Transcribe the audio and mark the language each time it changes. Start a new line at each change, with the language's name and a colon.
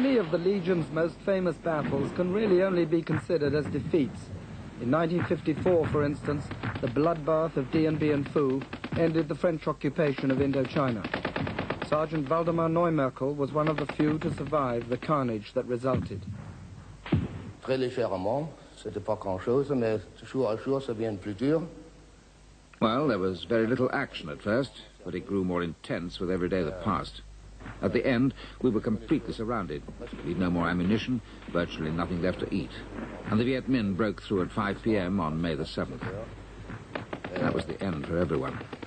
English: The Legion's most famous battles can really only be considered as defeats. In 1954, for instance, the bloodbath of Dien Bien Phu ended the French occupation of Indochina. Sergeant Waldemar Neumerkel was one of the few to survive the carnage that resulted.
French: Très légèrement, c'était pas grand chose, mais jour à jour, ça vient plus dur.
English: Well, there was very little action at first, but it grew more intense with every day that passed. At the end, we were completely surrounded. We'd no more ammunition, virtually nothing left to eat. And the Viet Minh broke through at 5 p.m. on May the 7th. That was the end for everyone.